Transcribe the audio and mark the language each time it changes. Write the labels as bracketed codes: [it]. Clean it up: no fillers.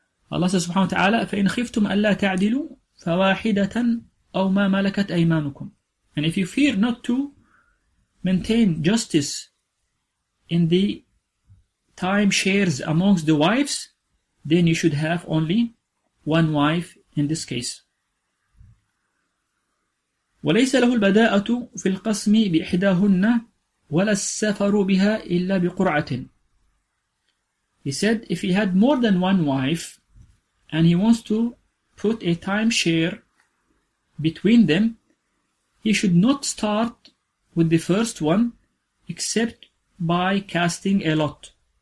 [en] Allah says [ar] subhanahu wa ta'ala, فَإِنْ خِفْتُمْ أَلَّا تَعْدِلُوا فَوَاحِدَةً أَوْ مَا مَلَكَتْ أَيْمَانُكُمْ. [en] And if you fear not to maintain justice in the time shares amongst the wives, then you should have only one wife in this case. [ar] وليس له البداءة في القسم بإحداهن ولا السفر بها إلا بقرعة. [en] He said, if he had more than one wife and he wants to put a time share between them, he should not start with the first one except by casting a lot.